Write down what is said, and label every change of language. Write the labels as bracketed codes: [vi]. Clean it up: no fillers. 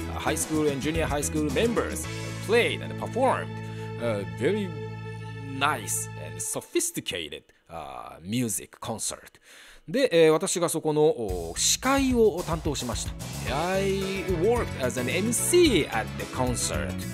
[en] High school and junior high school members played and performed very nice and sophisticated. [ja] ミュージックコンサート。で、私がそこの司会を担当しました。 [en] I worked as an MC at the concert.